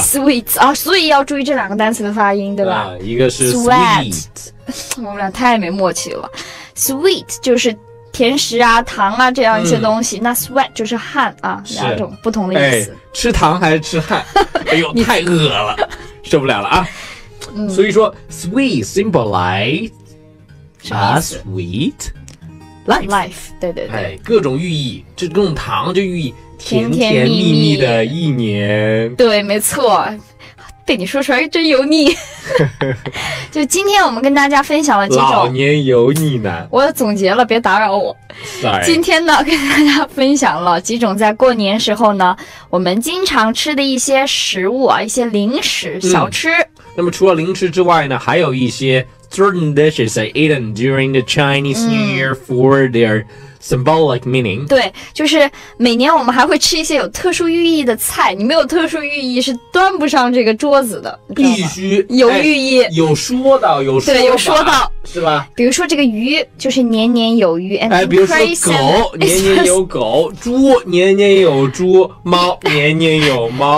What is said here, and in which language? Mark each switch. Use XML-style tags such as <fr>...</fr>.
<zh>sweets 啊，所以要注意这两个单词的发音，对吧？啊、一个是 sweet，我们俩太没默契了。 sweet 就是甜食啊、糖啊这样一些东西，嗯、那 sweat 就是汗啊，两种不同的意思。哎、吃糖还是吃汗？哎呦，太饿了。受不了了啊、嗯、所以说</zh> <en>sweet symbolize a sweet</en> <zh>life 对对对、哎、各种寓意，这种糖就寓意甜甜蜜蜜的一年，对，没错，被你说出来真油腻。就今天我们跟大家分享了几种老年油腻男，我总结了，别打扰我、</zh> <en>Sorry、</en> <zh>今天呢跟大家分享了几种在过年时候呢我们经常吃的一些食物啊，一些零食小吃、嗯、那么除了零食之外呢，还有一些</zh> <en>certain dishes I eaten during the Chinese New Year for theirsymbolic meaning，</en> <zh>对，就是每年我们还会吃一些有特殊寓意的菜，你没有特殊寓意是端不上这个桌子的，必须有寓意、哎、有说到，有说到，对，有说到，是吧？比如说这个鱼就是年年有鱼，哎，比如说狗年年有狗，猪年年有猪，猫年年有猫。</zh>